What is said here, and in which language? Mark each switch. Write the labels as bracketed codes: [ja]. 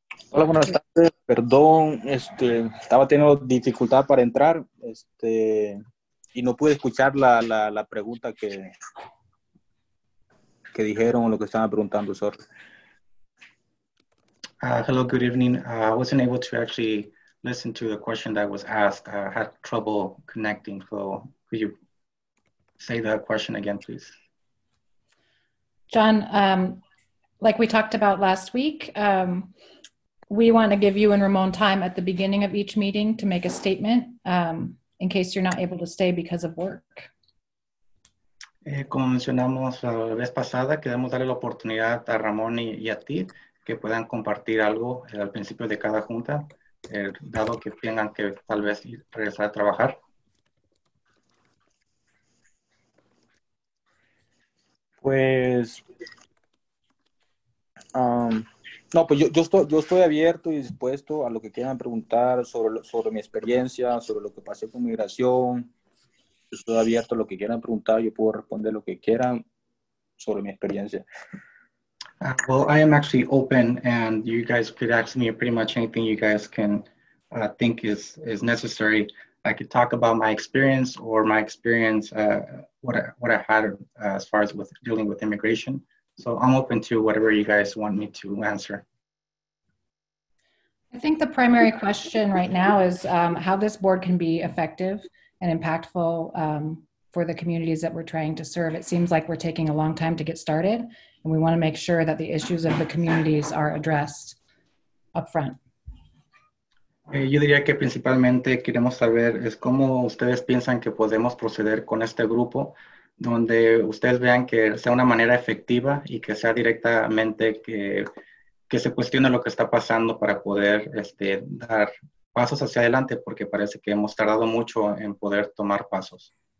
[es] Hola, buenas tardes. Perdón, estaba teniendo dificultad para entrar y no pude escuchar la pregunta que dijeron o lo que estaban preguntando. [en] Hello, good evening. I wasn't able to actually listen to the question that was asked. I had trouble connecting, so could you say that question again, please? John, like we talked about last week, we want to give you and Ramon time at the beginning of each meeting to make a statement in case you're not able to stay because of work. [es] Como mencionamos la vez pasada, queremos darle la oportunidad a Ramón y a ti que puedan compartir algo al principio de cada junta. Dado que tengan que tal vez regresar a trabajar. Pues yo estoy abierto y dispuesto a lo que quieran preguntar sobre mi experiencia, sobre lo que pasé con migración. Yo estoy abierto a lo que quieran preguntar, yo puedo responder lo que quieran sobre mi experiencia. [en] Well, I am actually open and you guys could ask me pretty much anything you guys can think is necessary. I could talk about my experience, what I had as far as with dealing with immigration. So I'm open to whatever you guys want me to answer. I think the primary question right now is how this board can be effective and impactful for the communities that we're trying to serve. It seems like we're taking a long time to get started, and we want to make sure that the issues of the communities are addressed up front. [es] Yo diría que principalmente queremos saber es cómo ustedes piensan que podemos proceder con este grupo, donde ustedes vean que sea una manera efectiva y que sea directamente que se cuestione lo que está pasando para poder dar pasos hacia adelante, porque parece que hemos tardado mucho en poder tomar pasos.